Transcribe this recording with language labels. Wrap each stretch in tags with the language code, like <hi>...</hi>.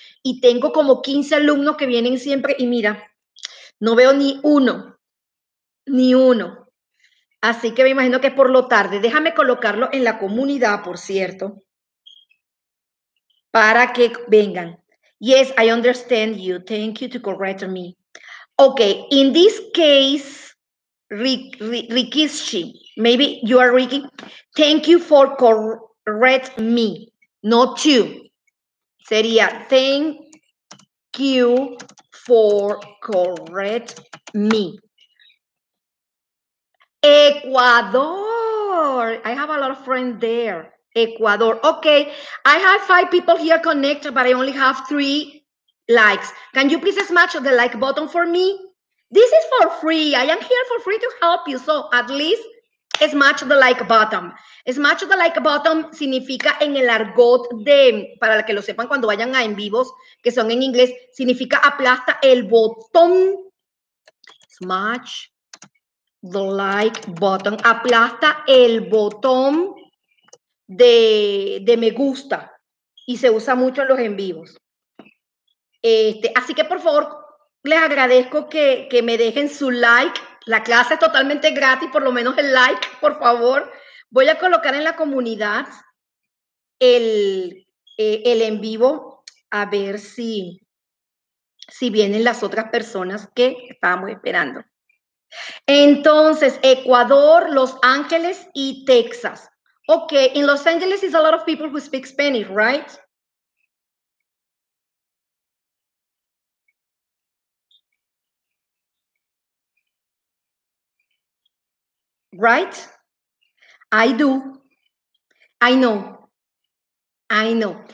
<es>Y tengo como 15 alumnos que vienen siempre y mira, no veo ni uno. Así que me imagino que es por lo tarde. Déjame colocarlo en la comunidad, por cierto, para que vengan.</es> <en>Yes, I understand you. Thank you to correct me. Okay, in this case, Rikishi, maybe you are Ricky. Thank you for correct me, not you.</en> <es>Sería,</es> <en>thank you for correct me. Ecuador, I have a lot of friends there. Ecuador, okay. I have 5 people here connected, but I only have 3 likes. Can you please smash the like button for me? This is for free. I am here for free to help you. So at least Smash the like button. Smash the like button</en> <es>significa en el argot de, para que lo sepan cuando vayan a en vivos, que son en inglés, significa aplasta el botón.</es> <en>Smash the like button.</en> <es>Aplasta el botón de me gusta. Y se usa mucho en los en vivos. Así que, por favor, les agradezco que me dejen su like. La clase es totalmente gratis, por lo menos el like, por favor. Voy a colocar en la comunidad el en vivo, a ver si vienen las otras personas que estábamos esperando. Entonces, Ecuador, Los Ángeles y Texas.</es> <en>Ok, in Los Angeles is a lot of people who speak Spanish, right? Right? I do. I know. I know.</en>